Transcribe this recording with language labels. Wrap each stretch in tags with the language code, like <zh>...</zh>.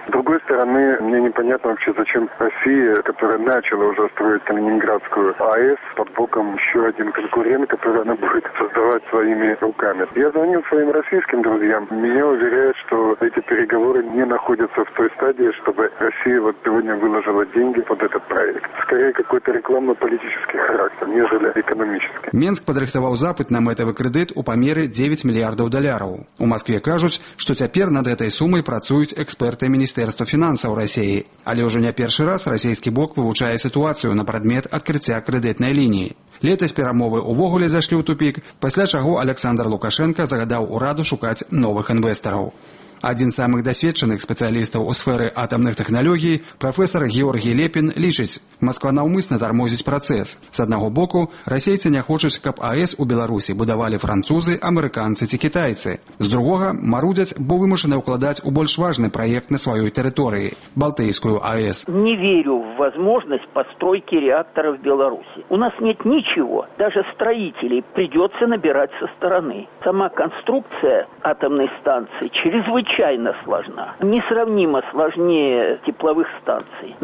<ru>С другой стороны, мне непонятно вообще, зачем Россия, которая начала уже строить Калининградскую АЭС, под боком еще один конкурент, который она будет создавать своими руками. Я звонил своим российским друзьям, меня уверяют, что эти переговоры не находятся в той стадии, чтобы Россия вот сегодня выложила деньги под этот проект. Скорее, какой-то рекламно-политический характер.</ru> <be>Менск падрыхтаваў запыт на мэтавы крэдыт у памеры 9 мільярдаў даляраў. У Маскве кажуць, што цяпер над гэтай сумай працуюць эксперты Міністэрства фінансаў Расіі. Але ўжо не першы раз расійскі бок вывучае сітуацыю на прадмет адкрыцця крэдытнай лініі. Летась перамовы увогуле зайшлі ў тупік, пасля чаго Александр Лукашэнка загадаў ураду шукаць новых інвестараў. Адзін з самых дасведчаных спецыялістаў у сферы атамных тэхналогій, прафесар Георгій Лепін, лічыць, Масква наўмысна тармозіць працэс. З аднаго боку, расейцы не хочуць, каб АЭС у Беларусі будавалі французы, амерыканцы ці кітайцы. З другога, марудзяць, бо вымушаны ўкладаць у больш важны праект на сваёй тэрыторыі – Балтыйскую АЭС.</be> <ru>Не верю в возможность постройки реактора в Беларуси. У нас нет ничего, даже строителей придется набирать со стороны. Сама конструкция атомной станции чрезвычайно сложна, несравнимо сложнее тепловых станций.</ru>